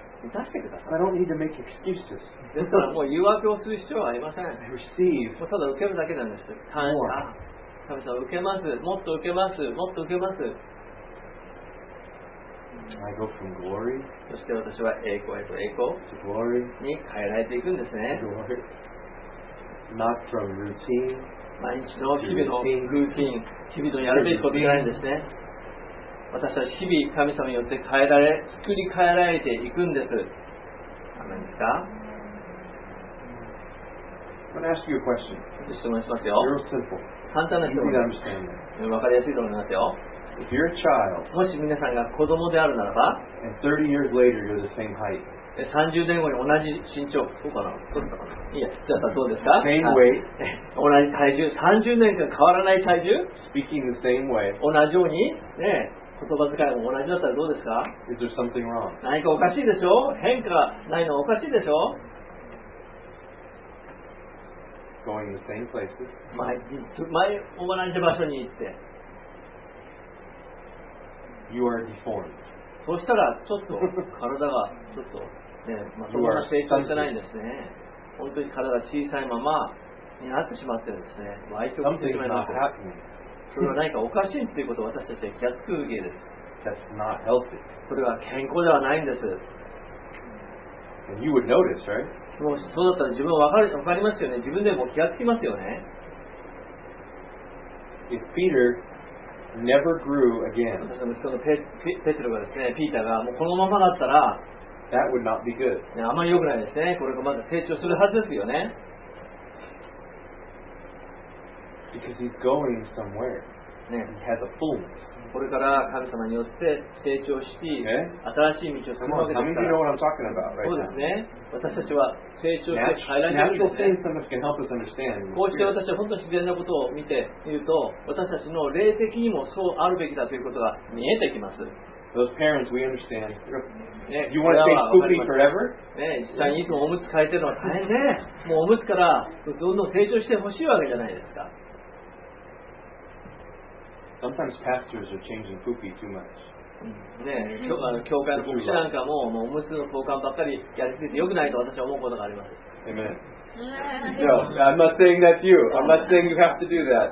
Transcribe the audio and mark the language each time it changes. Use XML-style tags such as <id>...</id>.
<en>I don't need to make excuses.</en> <ja>ですからもう誘惑をする必要はありません。</ja> <en>Receive.</en> <ja>もうただ受けるだけなんです。感謝。神様受けます。もっと受けます。もっと受けます。</ja> <en>I go from glory.</en> <ja>そして私は栄光へと栄光。</ja> <en>To glory.</en> <ja>に変えられていくんですね。</ja> <en>Glory. Not from routine.</en> <ja>毎日の日々のルーティン、日々のやるべきことじゃないんですね。私は日々神様によって変えられ、作り変えられていくんです。アメンですか？</ja> <en>I'm going to ask you a question.</en> <ja>質問しますよ。</ja> <en>Real simple.</en> <ja>簡単な質問です。</ja> <en>You need to understand that.</en> <ja>分かりやすいと思いますよ。</ja> <en>If you're a child,</en> <ja>もし皆さんが子供であるならば、</ja> <en>and 30 years later, you're the same height.</en> <ja>30年後に同じ身長。そうかな？そうだったかな？いや、じゃあどうですか？</ja> <en>Same weight.</en> <ja>同じ体重。30年間変わらない体重？</ja> <en>Speaking the same way.</en> <ja>同じように？ねえ。言葉遣いも同じだったらどうですか？</ja> <en>Is there something wrong?</en> <ja>何かおかしいでしょ？変化ないのおかしいでしょ？</ja> <en>Going the same places.</en> <ja>前同じ場所に行って。</ja> <en>You are deformed.</en> <ja>そうしたらちょっと体がちょっとね、まあ、そんな成長じゃないんですね。本当に体が小さいままになってしまってるんですね。歪曲してしまいます。</ja> <en>Something is not happening.</en> <ja>それは何かおかしいということを私たちは気がつくわけです。</ja> <en>That's not healthy.</en> <ja>それは健康ではないんです。</ja> <en>And you would notice, right?</en> <ja>もしそうだったら自分は分かりますよね。自分でも気がつきますよね。</ja> <en>If Peter never grew again,</en> <ja>ペテロがですね、ピーターがもうこのままだったら、</ja> <en>that would not be good.</en> <ja>あまり良くないですね。これがまだ成長するはずですよね。</ja> <en>Because he's going somewhere.</en> <ja>ね、</ja> <en>he has a fullness.</en> <ja>これから神様によって成長し、新しい道を進むわけですから。</ja> <en>Okay. Come on, about, right、</en> <ja>そうですね。私たちは成長して変えられているんですね。こうして私たちは本当に自然なことを見てみると、私たちの霊的にもそうあるべきだということが見えてきます。</ja> <en>Those parents, we understand. You want to stay poopy forever?</en> <ja>ね、実際にいつもおむつ替えてるのは大変ね。もうおむつからどんどん成長してほしいわけじゃないですか。</ja> <en>Sometimes pastors are changing poopy too much.</en> <ja>ね、教会の牧師なんかも、もうおむつの交換ばっかりやりすぎて良くないと私は思うことがあります。</ja> <en>Amen. No, I'm not saying that to you. I'm not saying you have to do that.</en>